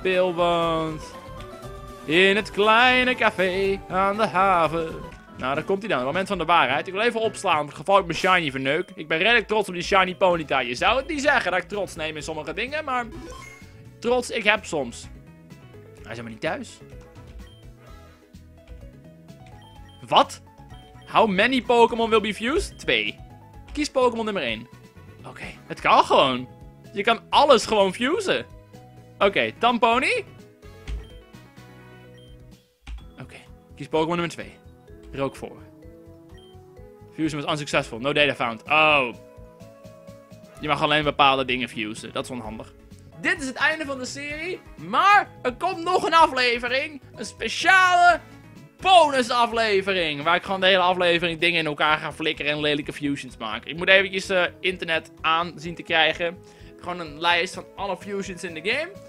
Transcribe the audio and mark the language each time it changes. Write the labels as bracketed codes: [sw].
[nl] Bill woont in het kleine café aan de haven. Nou, daar komt hij dan. Het moment van de waarheid. Ik wil even opslaan, in het geval ik mijn shiny verneuk. Ik ben redelijk trots op die shiny Ponyta. Je zou het niet zeggen dat ik trots neem in sommige dingen, maar trots ik heb soms. Hij is helemaal niet thuis. Wat? [en] How many Pokémon will be fused? [nl] 2. Kies Pokémon nummer 1. Oké, okay. Het kan gewoon. Je kan alles gewoon fusen. Oké, okay. Tamponi. Oké, okay. Kies Pokémon nummer 2. Rook voor. [en] Fusion was unsuccessful. No data found. Oh. [nl] Je mag alleen bepaalde dingen fusen. Dat is onhandig. Dit is het einde van de serie. Maar er komt nog een aflevering. Een speciale bonus aflevering. Waar ik gewoon de hele aflevering dingen in elkaar ga flikkeren. En lelijke fusions maken. Ik moet eventjes internet aan zien te krijgen. Gewoon een lijst van alle fusions in de game.